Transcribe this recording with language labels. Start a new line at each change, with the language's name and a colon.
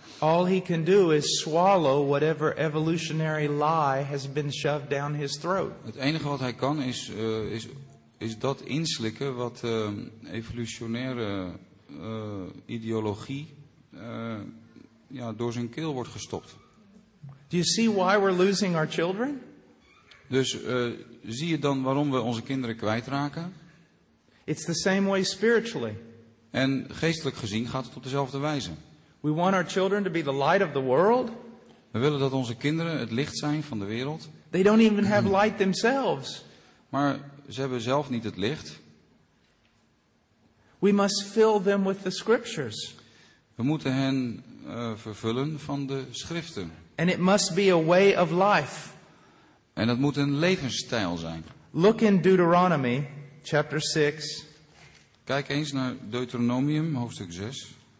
English: All he can do is swallow whatever evolutionary lie has been shoved down his throat.
Dutch: Het enige wat hij kan is dat inslikken wat evolutionaire ideologie door zijn keel wordt gestopt.
English: Do you see why we're losing our children?
Dutch: Dus zie je dan waarom we onze kinderen kwijtraken?
English: It's the same way spiritually.
Dutch: En geestelijk gezien gaat het op dezelfde wijze.
English: We want our children to be the light of the world.
Dutch: We willen dat onze kinderen het licht zijn van de wereld.
English: They don't even have light themselves.
Dutch: Maar ze hebben zelf niet het licht.
English: We must fill them with the scriptures.
Dutch: We moeten hen vervullen van de schriften.
English: And it must be a way of life.
Dutch: En dat moet een levensstijl zijn.
English: Look in Deuteronomy chapter 6.
Dutch: Kijk eens naar Deuteronomium hoofdstuk 6.